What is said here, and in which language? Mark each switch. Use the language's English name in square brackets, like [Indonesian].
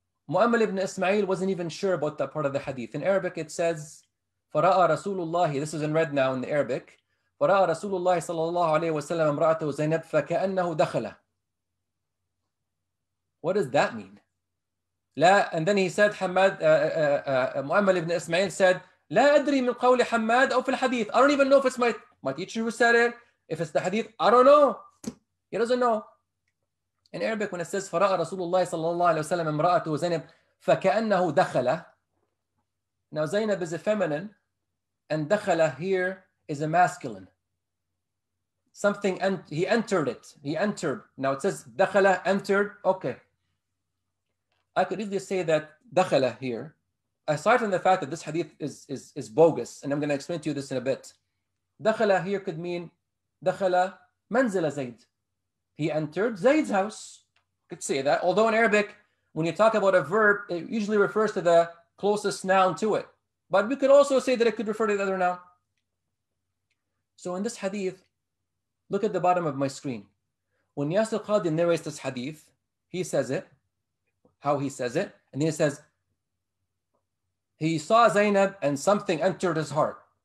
[English] Mu'ammal ibn Ismail wasn't even sure about that part of the hadith. In Arabic, it says, [Arabic] فَرَأَى رَسُولُ اللَّهِ, [English] this is in red now in the Arabic, [Arabic] فَرَأَى رَسُولُ اللَّهِ صَلَى اللَّهُ عَلَيْهِ وَسَلَّمَ امْرَأَتَهُ زَيْنَبْ فَكَأَنَّهُ دَخَلَ. [English] What does that mean? لا, and then he said, Hamad, Mu'ammal ibn Ismail said, [Arabic] لا أدري من قول حماد أو في الحديث. [English] I don't even know if it's my teacher who said it, if it's the hadith, I don't know. He doesn't know. In Arabic, when it says, [Arabic] فرأى رسول الله صلى الله عليه وسلم امرأته زينب فكأنه دخل. [English] Now زينب is a feminine, and دخل here is a masculine. Something, he entered it. He entered. Now it says, دخل, entered. Okay. I could easily say that دخل here, aside from the fact that this hadith is bogus, and I'm going to explain to you this in a bit. [Arabic] دخل [English] here could mean [Arabic] دخل منزل زيد. [English] He entered Zayd's house. Could say that. Although in Arabic, when you talk about a verb, it usually refers to the closest noun to it. But we could also say that it could refer to the other noun. So in this hadith, look at the bottom of my screen. When Yasir Qadhi narrates this hadith, he says it, how he says it, and then he says, he saw Zaynab and something entered his heart.